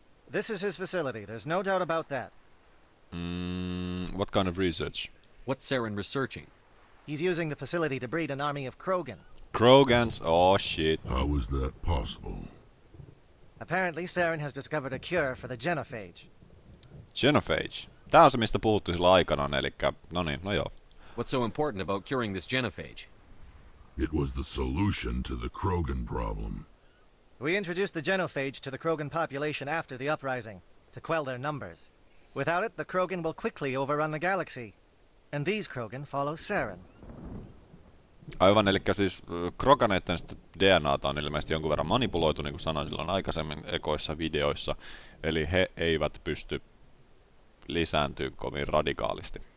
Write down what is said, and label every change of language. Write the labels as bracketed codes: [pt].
[en] This is his facility, there's no doubt about that. What kind of research? What's Saren researching? He's using the facility to breed an army of Krogan. Krogans? Oh shit. How was that possible? Apparently Saren has discovered a cure for the genophage. Genophage? [fi] Tää on se, mistä puhuttu sillä aikanaan, elikkä, no niin, no joo. [en] What's so important about curing this genophage? It was the solution to the Krogan problem. We introduced the genophage to the Krogan population after the uprising, to quell their numbers. Without it, the Krogan will quickly overrun the galaxy. And these Krogan follow Saren. [fi] Aivan, elikkä siis kroganeiden DNAta on ilmeisesti jonkun verran manipuloitu, niin kuin sanoin silloin aikaisemmin ekoissa videoissa. Eli he eivät pysty lisääntymään kovin radikaalisti.